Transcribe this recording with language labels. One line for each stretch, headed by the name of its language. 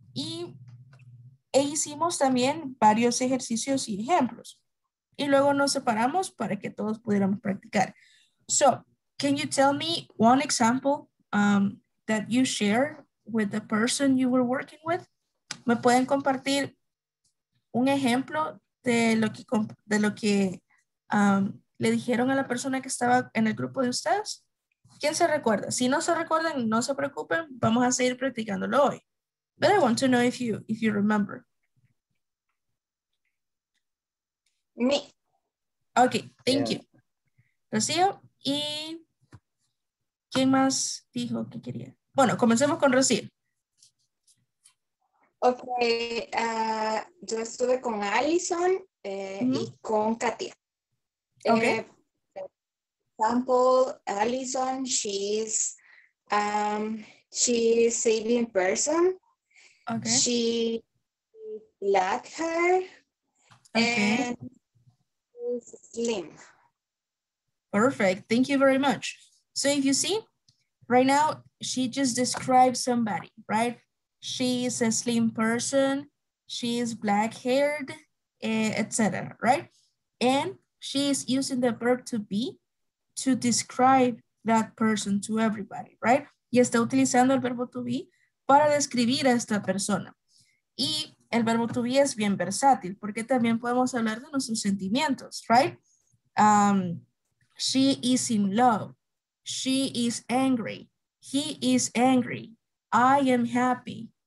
Spanish: Y e hicimos también varios ejercicios y ejemplos. Y luego nos separamos para que todos pudiéramos practicar.
English: So, can you tell me one example that you share with the person you were working with?
Spanish: ¿Me pueden compartir un ejemplo de lo que le dijeron a la persona que estaba en el grupo de ustedes? ¿Quién se recuerda? Si no se recuerdan, no se preocupen, vamos a seguir practicándolo hoy.
English: But I want to know if you remember. Me. Okay, thank you.
Spanish: Rocío, ¿y quién más dijo que quería? Bueno, comencemos con Rocío. Ok, yo estuve con Allison y con Katia.
English: Ok. Example, Allison, she's a Sibian person. Okay. She black hair and slim. Perfect. Thank you very much. So if you see, right now, she just describes somebody, right? She is a slim person, she is black haired, etc., right? And she is using the verb to be to describe that person to everybody, right?
Spanish: Y está utilizando el verbo to be para describir a esta persona. Y el verbo to be es bien versátil porque también podemos hablar de nuestros sentimientos,
English: right? She is in love, she is angry, he is angry, I am happy.